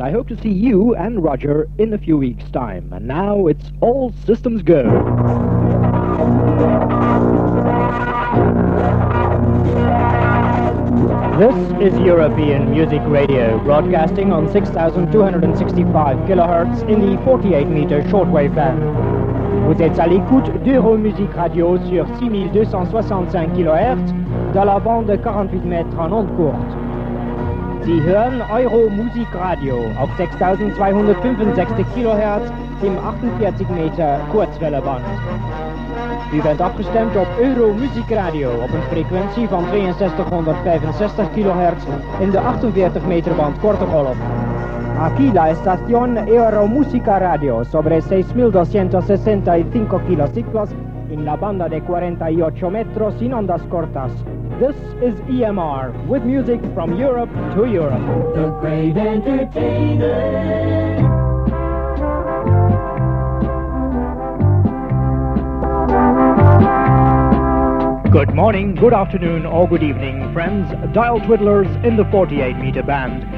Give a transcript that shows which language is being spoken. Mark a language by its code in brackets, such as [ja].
[en] I hope to see you and Roger in a few weeks' time. And now it's all systems go. This is European Music Radio, broadcasting on 6,265 kilohertz in the 48-meter shortwave band. [fr] Vous êtes à l'écoute d'Euromusic Radio sur 6,265 kHz dans la bande 48 mètres en onde courte. [de] Sie hören Euromusic Radio auf 6,265 kHz im 48 Meter Kurzwelleband. [nl] U bent afgestemd op Euromusic Radio op een frequentie van 6365 kHz in de 48 meter band korte golf. [es] Aquí la estación Euromusica Radio sobre 6265 kilociclos in la banda de 48 metros sin ondas cortas. [en] This is EMR with music from Europe to Europe. The great entertainer. Good morning, good afternoon, or good evening, friends, dial twiddlers in the 48-meter band.